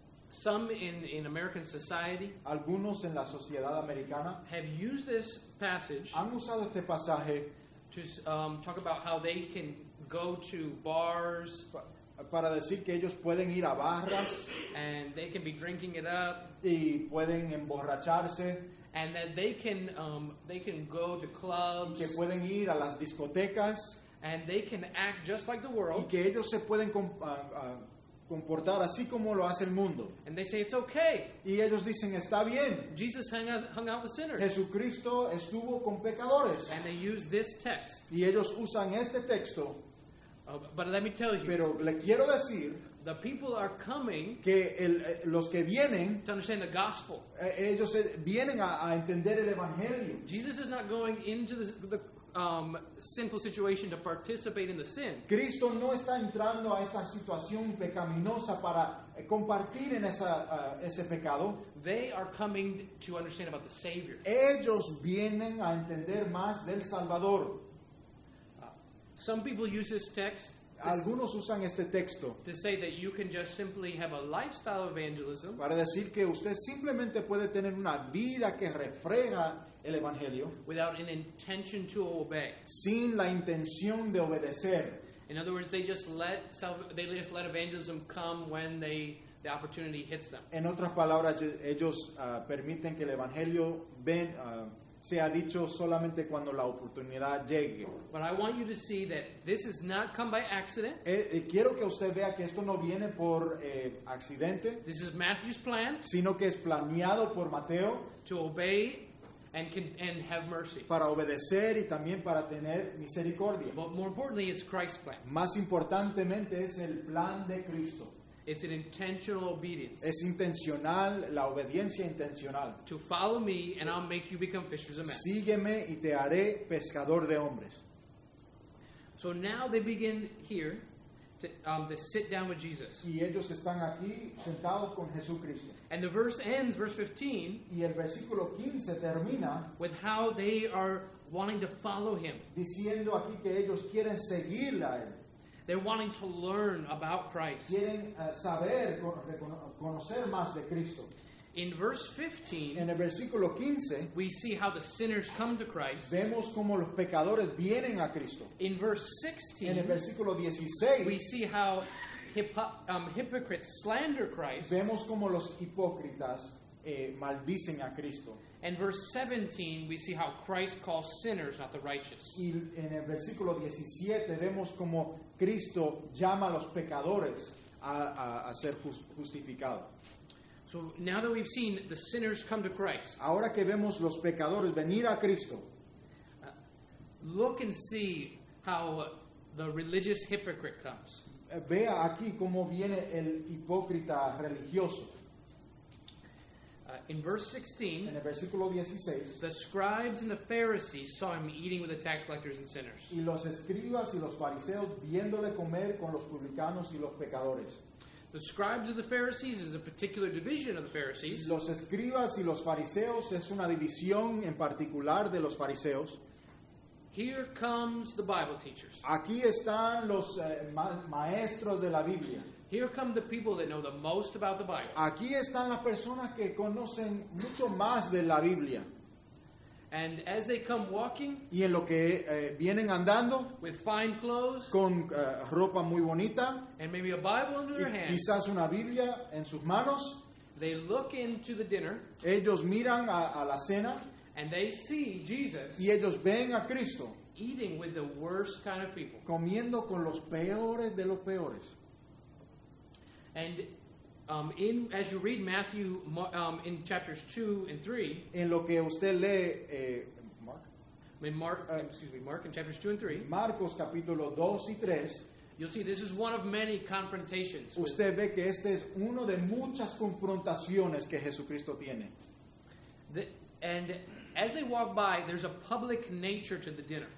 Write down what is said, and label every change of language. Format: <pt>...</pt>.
<en>Some in American society,</en> <es>algunos en la sociedad americana,</es> <en>have used this passage,</en> <es>han usado este pasaje,</es> <en>to talk about how they can go to bars,</en> <es>para decir que ellos pueden ir a barras,</es> <en>and they can be drinking it up,</en> <es>y pueden emborracharse,</es> <en>and that they can go to clubs,</en> <es>y que pueden ir a las discotecas,</es> <en>and they can act just like the world,</en> <es>y que ellos se pueden comportar así como lo hace el mundo.</es> <en>And they say, it's okay.</en> <es>Y ellos dicen, está bien.</es> <en>Jesus hung out with sinners.</en> <es>Jesucristo estuvo con pecadores.</es> <en>And they use this text.</en> <es>Y ellos usan este texto.</es> <en>But let me tell you,</en> <es>pero le quiero decir,</es> <en>the people are coming,</en> <es>que los que vienen,</es> <en>to understand the gospel.</en> <es>Ellos vienen a entender el evangelio.</es> <en>Jesus is not going into the sinful situation to participate in the sin.</en> <es>Cristo no está entrando a esta situación pecaminosa para compartir en ese pecado.</es> <en>They are coming to understand about the Savior.</en> <es>Ellos vienen a entender más del Salvador.</es> <en>Some people use this text.</en> <es>Algunos usan este texto.</es> <en>To say that you can just simply have a lifestyle of evangelism.</en> <es>Para decir que usted simplemente puede tener una vida que refleja el evangelio,</es> <en>without an intention to obey,</en> <es>sin la intención de obedecer.</es> <en>In other words, they just let evangelism come when the opportunity hits them.</en> <es>En otras palabras, ellos permiten que el evangelio sea dicho solamente cuando la oportunidad llegue.</es> <en>But I want you to see that this has not come by accident.</en> <es>Quiero que usted vea que esto no viene por accidente.</es> <en>This is Matthew's plan,</en> <es>sino que es planeado por Mateo,</es> <en>to obey and have mercy,</en> <es>para obedecer y también para tener misericordia.</es> <en>But more importantly, it's Christ's plan.</en> <es>Más importantemente, es el plan de Cristo.</es> <en>It's an intentional obedience.</en> <es>Es intencional, la obediencia intencional.</es> <en>To follow me and I'll make you become fishers of men.</en> <es>Sígueme y te haré pescador de hombres.</es> <en>So now they begin here to sit down with Jesus.</en> <es>Y ellos están aquí sentados con Jesucristo.</es> <en>And the verse ends, verse 15,</en> <es>y el versículo 15 termina,</es> <en>with how they are wanting to follow him.</en> <es>Diciendo aquí que ellos quieren seguir a él.</es> <en>They're wanting to learn about Christ.</en> <es>Quieren saber, conocer más de Cristo.</es> <en>In verse 15,</en> <es>en el versículo 15,</es> <en>we see how the sinners come to Christ.</en> <es>Vemos como los pecadores vienen a Cristo.</es> <en>In verse 16,</en> <es>en el versículo 16,</es> <en>we see how hypocrites slander Christ.</en> <es>Vemos como los hipócritas maldicen a Cristo.</es> <en>In verse 17, we see how Christ calls sinners, not the righteous.</en> <es>Y en el versículo 17 vemos como Cristo llama a los pecadores a ser justificado.</es> <en>So now that we've seen the sinners come to Christ,</en> <es>ahora que vemos los pecadores venir a Cristo,</es> <en>look and see how the religious hypocrite comes.</en> <es>Vea aquí cómo viene el hipócrita religioso.</es> <en>In verse 16,</en> <es>en el versículo 16,</es> <en>the scribes and the Pharisees saw him eating with the tax collectors and sinners.</en> <es>Y los escribas y los fariseos viéndole comer con los publicanos y los pecadores.</es> <en>The scribes and the Pharisees is a particular division of the Pharisees.</en> <es>Los escribas y los fariseos es una división en particular de los fariseos.</es> <en>Here comes the Bible teachers.</en> <es>Aquí están los maestros de la Biblia.</es> <en>Here come the people that know the most about the Bible.</en> <es>Aquí están las personas que conocen mucho más de la Biblia.</es> <en>And as they come walking,</en> <es>y en lo que vienen andando,</es> <en>with fine clothes,</en> <es>con ropa muy bonita,</es> <en>and maybe a Bible under their hands,</en> <es>quizás una Biblia en sus manos,</es> <en>they look into the dinner,</en> <es>ellos miran a la cena,</es> <en>And they see Jesus.</en> <es>Y ellos ven a Cristo.</es> <en>Eating with the worst kind of people.</en> <es>Comiendo con los peores de los peores.</es> <en>And in as you read Matthew in chapters 2 and 3,</en> <es>en lo que usted lee</es> <en>Mark in chapters 2 and 3,</en> <es>Marcos capítulo 2 y 3,</es> <en>you'll see this is one of many confrontations.</en> <es>Usted ve que este es uno de muchas confrontaciones que Jesucristo tiene.</es> <en>And as they walk by, there's a public nature to the dinner.</en>